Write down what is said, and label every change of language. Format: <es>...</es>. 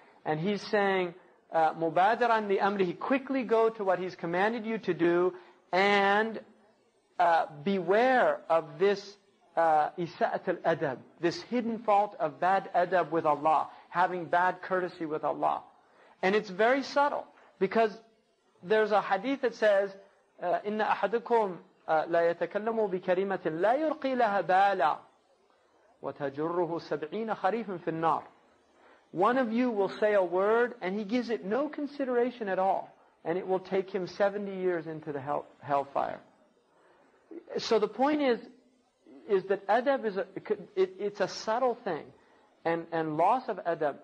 <en>And he's saying,</en> <ar>مُبَادِرًا لِأَمْرِهِ,</ar> <en>quickly go to what he's commanded you to do, and beware of this isa'at al-adab, this hidden fault of bad adab with Allah, having bad courtesy with Allah. And it's very subtle, because there's a hadith that says,</en> <ar>إِنَّ أَحَدُكُمْ لَا يَتَكَلَّمُوا بِكَرِيمَةٍ لَا يُرْقِي لَهَا بَالًا وَتَجُرُّهُ سَبْعِينَ خَرِيفٍ فِي النَّارِ.</ar> <en>One of you will say a word and he gives it no consideration at all, and it will take him 70 years into the hellfire. So the point is that adab is it's a subtle thing, and loss of adab.</en>